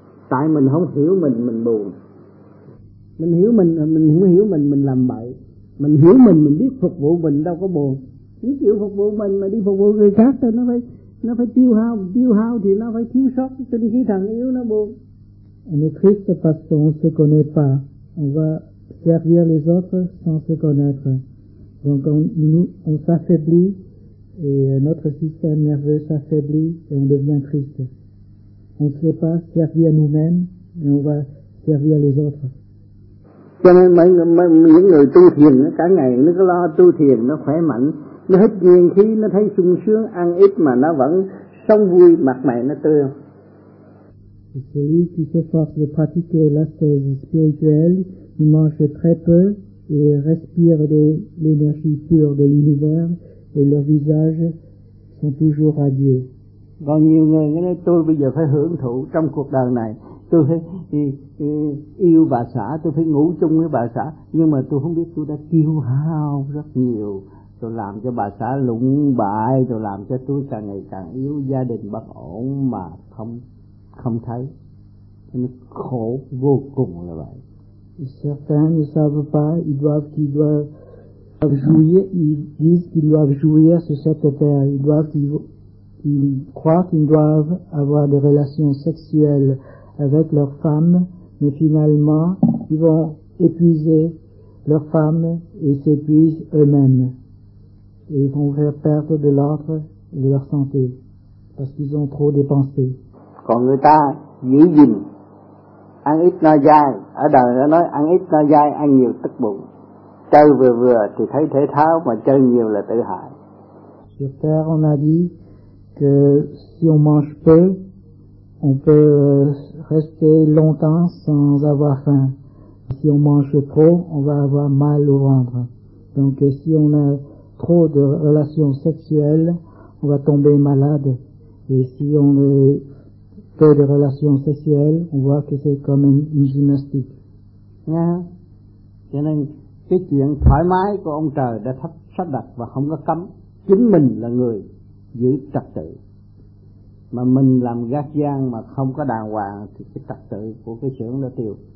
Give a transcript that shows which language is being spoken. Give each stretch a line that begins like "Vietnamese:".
Vietnamese: Tại mình không hiểu mình buồn. Mình không hiểu mình làm bậy. Mình hiểu mình biết phục vụ mình đâu có buồn. Mình chịu phục vụ mình mà đi phục vụ người khác thì nó phải tiêu hao thì nó phải thiếu sót tinh khí thần yếu nó buồn.
French: On est triste parce qu'on se connaît pas. On va servir les autres sans se connaître. Donc on s'affaiblit. Et notre système nerveux s'affaiblit et on devient triste. On ne sait pas servir nous-mêmes, mais on va servir les autres.
Vietnamese: Cho nên những người tu thiền cả ngày nó cứ lo tu thiền, nó khỏe mạnh, nó hít nguyên khí, nó thấy sung sướng, ăn ít mà nó vẫn sống vui, mặt mày nó tươi.
French: Et celui qui s'efforce de pratiquer l'ascèse spirituelle, il mange très peu et respire de l'énergie pure de l'univers. Et leurs visages sont toujours radieux.
Vietnamese: Còn nhiều người nói tôi bây giờ phải hưởng thụ trong cuộc đời này. Tôi phải yêu bà xã, tôi phải ngủ chung với bà xã. Nhưng mà tôi không biết tôi đã tiêu hao rất nhiều. Tôi làm cho bà xã lụng bại, tôi làm cho tôi càng ngày càng yếu, gia đình bất ổn mà không thấy. Nên khổ vô cùng là vậy.
French: Certains ne savent pas, ils disent qu'ils doivent jouir sur cette terre, ils croient qu'ils doivent avoir des relations sexuelles avec leurs femmes, mais finalement ils vont épuiser leurs femmes et s'épuisent eux-mêmes et ils vont faire perdre de l'ordre et de leur santé parce qu'ils ont trop dépensé.
Vietnamese: Còn người ta giữ gìn ăn ít no dai, ở đời nó nói ăn ít no dai, ăn nhiều tức bụng. Chơi vừa vừa thì thấy thể thao, mà chơi nhiều là tự hại.
French: Sur terre, on a dit que si on mange peu, on peut rester longtemps sans avoir faim. Si on mange trop, on va avoir mal au ventre. Donc si on a trop de relations sexuelles, on va tomber malade. Et si on a peu de relations sexuelles, on voit que c'est comme une gymnastique. Yeah.
Vietnamese: Cái chuyện thoải mái của ông trời đã sắp đặt và không có cấm. Chính mình là người giữ trật tự. Mà mình làm gác gian mà không có đàng hoàng thì cái trật tự của cái xưởng nó tiêu.